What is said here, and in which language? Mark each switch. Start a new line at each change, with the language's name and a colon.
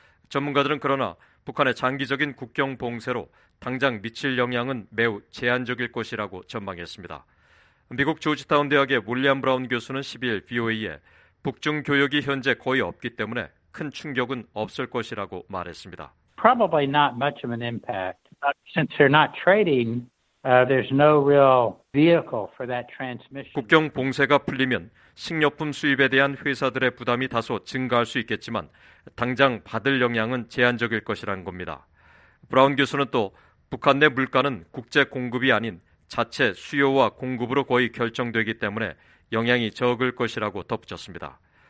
Korean: 전문가들은 그러나 북한의 장기적인 국경 봉쇄로 당장 미칠 영향은 매우 제한적일 것이라고 전망했습니다. 미국 조지타운 대학의 윌리엄 브라운 교수는 12일 VOA에 북중 교역이 현재 거의 없기 때문에 큰 충격은 없을 것이라고 말했습니다.
English: Probably not much of an impact. Since they're not trading, there's no real vehicle for that transmission.
Korean: 국경 봉쇄가 풀리면 식료품 수입에 대한 회사들의 부담이 다소 증가할 수 있겠지만 당장 받을 영향은 제한적일 것이라는 겁니다. 브라운 교수는 또 북한 내 물가는 국제 공급이 아닌 자체 수요와 공급으로 거의 결정되기 때문에 영향이 적을 것이라고 덧붙였습니다.